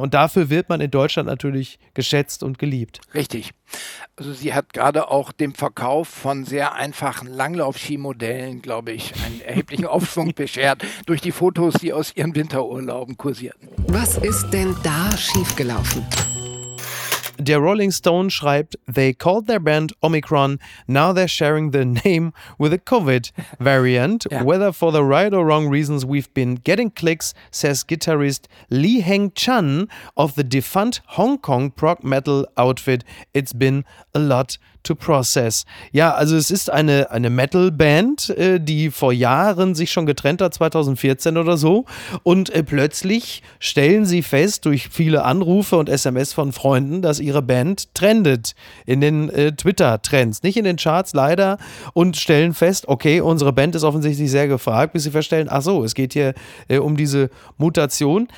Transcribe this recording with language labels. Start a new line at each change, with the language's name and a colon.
German: Und dafür wird man in Deutschland natürlich geschätzt und geliebt. Richtig. Also sie hat gerade auch dem Verkauf von sehr einfachen Langlauf-Skimodellen, glaube ich, einen erheblichen Aufschwung beschert durch die Fotos, die aus ihren Winterurlauben kursierten. Was ist denn da schiefgelaufen? Der Rolling Stone schreibt,
English: they called their band Omicron, now they're sharing the name with a COVID variant. Ja. Whether for the right or wrong reasons we've been getting clicks, says guitarist Li Heng Chan of the defunct Hong Kong prog metal outfit. It's been a lot to process.
German: Ja, also es ist eine Metal-Band, die vor Jahren sich schon getrennt hat, 2014 oder so. Und plötzlich stellen sie fest, durch viele Anrufe und SMS von Freunden, dass ihre Band trendet in den Twitter-Trends. Nicht in den Charts, leider. Und stellen fest, okay, unsere Band ist offensichtlich sehr gefragt, bis sie feststellen, ach so, es geht hier um diese Mutation.